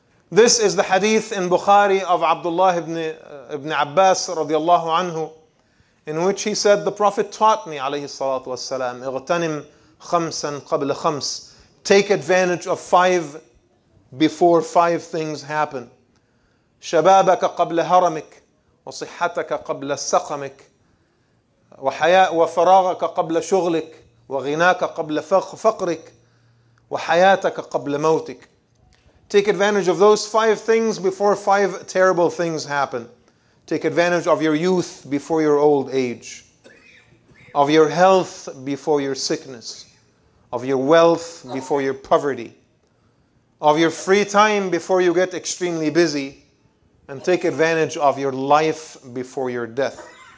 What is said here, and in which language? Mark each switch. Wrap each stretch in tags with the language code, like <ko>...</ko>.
<en>This is the hadith in Bukhari of Abdullah ibn Abbas radiallahu anhu, in which he said, the Prophet taught me, alayhi salatu wassalam,</en> <ar>اغتنم خمسا قبل خمس,</ar> <en>take advantage of five before five things happen.</en> <ar>شبابك قبل هرمك وصحتك قبل سقمك وحياء وفراغك قبل شغلك وغناك قبل فقرك وحياتك قبل موتك</ar> <en>Take advantage of those five things before five terrible things happen. Take advantage of your youth before your old age. Of your health before your sickness. Of your wealth before your poverty. Of your free time before you get extremely busy. And take advantage of your life before your death.</en>